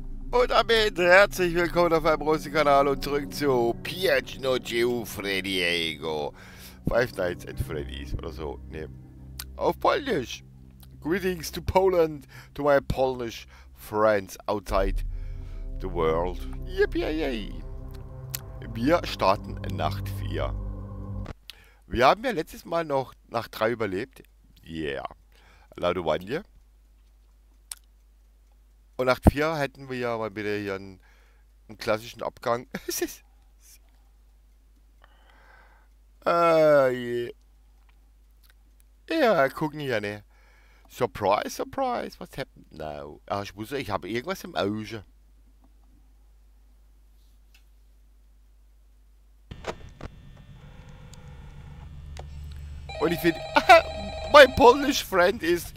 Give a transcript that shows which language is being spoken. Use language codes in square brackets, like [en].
[de] Und damit herzlich willkommen auf meinem großen Kanal und zurück zu Piano Geo Freddy Ego. Five Nights at Freddy's oder so. Ne. Auf Polnisch. [en] Greetings to Poland, to my Polish friends outside the world. [de] Yippee-yay. Wir starten Nacht 4. Wir haben ja letztes Mal noch Nacht 3 überlebt. Yeah. Laudo Wanje. Und Nacht 4 hätten wir ja mal wieder hier einen klassischen Abgang. Ja, gucken hier, ne? [en] Surprise, surprise, what happened now? [de] Ah, ich muss, ich habe irgendwas im Auge. Und ich finde, mein [en] Polish friend [de] ist.